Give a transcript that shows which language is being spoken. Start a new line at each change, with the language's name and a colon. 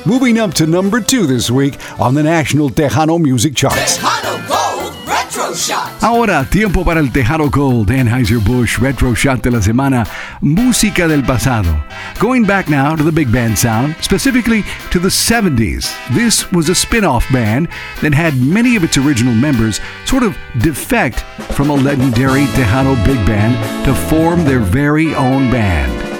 English: Moving up to number two this week on the National Tejano Music Charts. Tejano Gold Retro Shot.
Spanish: Ahora, tiempo para el Tejano Gold Anheuser-Busch Retro Shot de la semana. Música del pasado.
English: Going back now to the big band sound, specifically to the 70s. This was a spin-off band that had many of its original members sort of defect from a legendary Tejano big band to form their very own band.